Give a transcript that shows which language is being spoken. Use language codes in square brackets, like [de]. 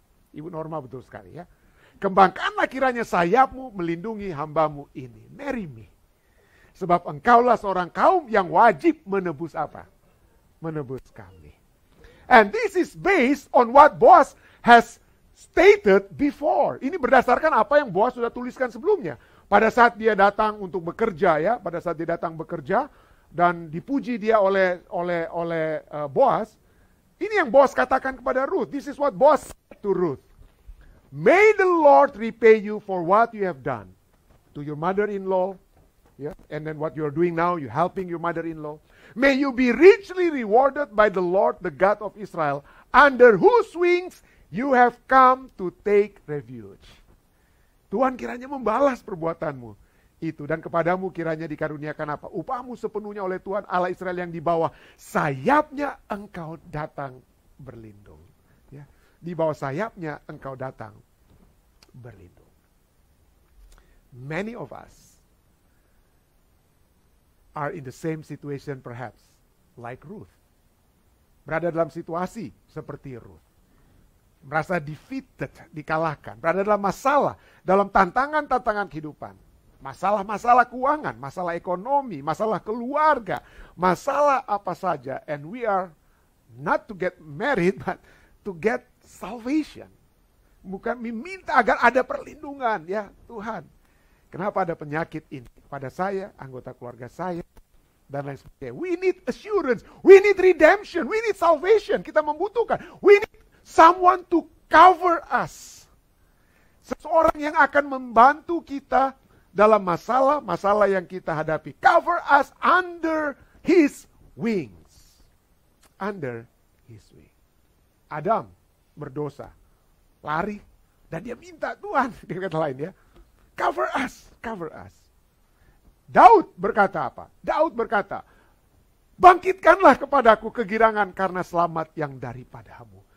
[id] Ibu Norma betul sekali ya. Kembangkanlah kiranya sayapmu melindungi hambamu ini. [en] Marry me. [id] Sebab engkaulah seorang kaum yang wajib menebus apa? Menebus kami. [en] And this is based on what Boaz has stated before. [id] Ini berdasarkan apa yang Boaz sudah tuliskan sebelumnya. Pada saat dia datang untuk bekerja ya, pada saat dia datang bekerja dan dipuji dia oleh Boaz. Ini yang Boaz katakan kepada Ruth. [en] This is what Boaz said to Ruth. May the Lord repay you for what you have done to your mother-in-law, yeah, and then what you are doing now, you helping your mother-in-law. May you be richly rewarded by the Lord, the God of Israel, under whose wings you have come to take refuge. [id] Tuhan kiranya membalas perbuatanmu itu. Dan kepadamu kiranya dikaruniakan apa? Upahmu sepenuhnya oleh Tuhan Allah Israel yang di bawah sayapnya engkau datang berlindung. Ya. Di bawah sayapnya engkau datang berlindung. [en] Many of us are in the same situation perhaps like Ruth. [id] Berada dalam situasi seperti Ruth. Merasa defeated, dikalahkan. Berada dalam masalah, dalam tantangan-tantangan kehidupan. Masalah-masalah keuangan, masalah ekonomi, masalah keluarga, masalah apa saja. [en] And we are not to get married, but to get salvation. [id] Bukan meminta agar ada perlindungan, ya Tuhan. Kenapa ada penyakit ini? Pada saya, anggota keluarga saya, dan lain sebagainya. [en] We need assurance, we need redemption, we need salvation. [id] Kita membutuhkan, [en] we need someone to cover us. [id] Seseorang yang akan membantu kita dalam masalah-masalah yang kita hadapi. [en] Cover us under his wings. Under his wing. [id] Adam berdosa. Lari. Dan dia minta Tuhan. Dia kata lain ya. [en] Cover us. Cover us. [id] Daud berkata apa? Daud berkata, bangkitkanlah kepadaku kegirangan karena selamat yang daripadamu.